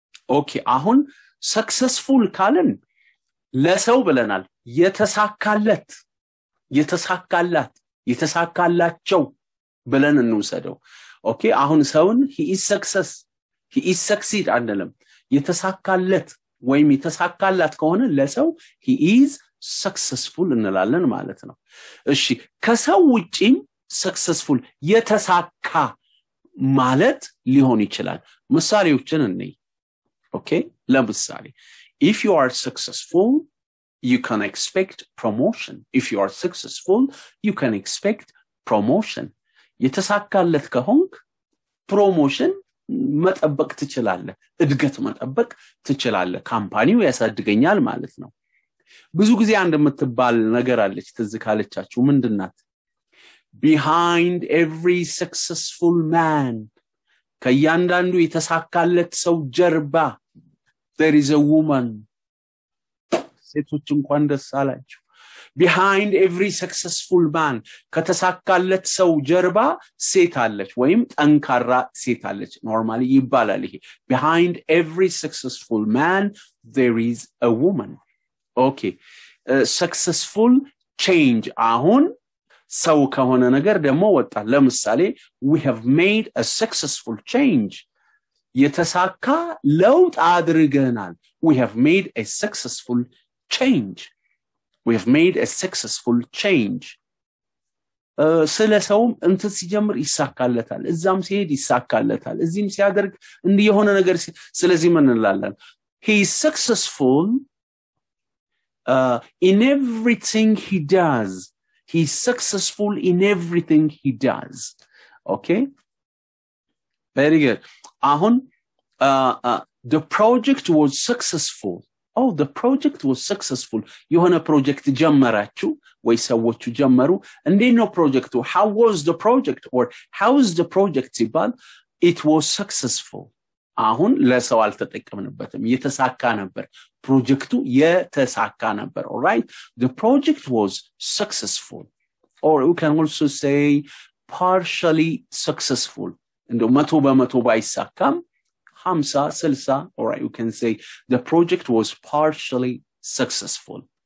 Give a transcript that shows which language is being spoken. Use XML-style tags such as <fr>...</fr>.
<am>ኦኬ አሁን ሰክሰስፉል ካልን ለሰው ብለናል። የተሳካለት የተሳካላት የተሳካላቸው ብለን እንውሰደው። ኦኬ አሁን ሰውን</am> <en>he is success he is succeed</en> <am>አንደለ የተሳካለት ወይም የተሳካላት ከሆነ ለሰው</am> <en>he is successful</en> <am>እንላለን ማለት ነው። እሺ ከሰው ውጪም successful የተሳካ ማለት ሊሆን ይችላል። ምሳሌዎችን እንይ። ኦኬ ለምሳሌ</am> <en>if you are successful you can expect promotion. If you are successful you can expect promotion.</en> <am>የተሳካለት ከሆንክ ፕሮሞሽን መጠበቅ ትችላለህ፣ እድገት መጠበቅ ትችላለህ። ካምፓኒው ያሳድገኛል ማለት ነው። ብዙ ጊዜ እንደምትባል ነገር አለች ትዝ ካለቻችሁ ምንድናት?</am> <en>behind every successful man</en> <am>ከእያንዳንዱ የተሳካለት ሰው ጀርባ</am> <en>there is a woman</en> <am>ሴቶች እንኳን ደስ አላችሁ።</am> <en>behind every successful man</en> <am>ከተሳካለት ሰው ጀርባ ሴት አለች ወይም ጠንካራ ሴት አለች ኖርማሊ ይባላል ይሄ።</am> <en>behind every successful man there is a woman. okay successful change</en> <am>አሁን ሰው ከሆነ ነገር ደግሞ ወጣ። ለምሳሌ</am> <en>we have made a successful change</en> <am>የተሳካ ለውጥ አድርገናል።</am> <en>we have made a successful change. We have made a successful change.</en> <am>ስለሰውም እንት ሲጀምር ይሳካለታል፣ እዛም ሲሄድ ይሳካለታል፣ እዚም ሲያደርግ እንዲህ የሆነ ነገር ስለዚህ ምን እንላለን?</am> <en>He is successful in everything he does. He is successful in everything he does. Okay? Very good. አሁን the project was successful. Oh the project was successful.</en> <am>የሆነ ፕሮጀክት ጀመራችሁ ወይ ሰዎች ጀመሩ? እንዴት ነው ፕሮጀክቱ?</am> <en>How was the project or how is the project?</en> <am>ይባል</am> <en>it was successful.</en> <am>አሁን ለሰው አልተጠቀምንበትም የተሳካ ነበር ፕሮጀክቱ የተሳካ ነበር ኦራይት</am> <en>the project was successful or we can also say partially successful</en> <am>እንዶ 100 በመቶ ባይሳካም 50 60 ኦራይት</am> <en>we can say the project was partially successful</en>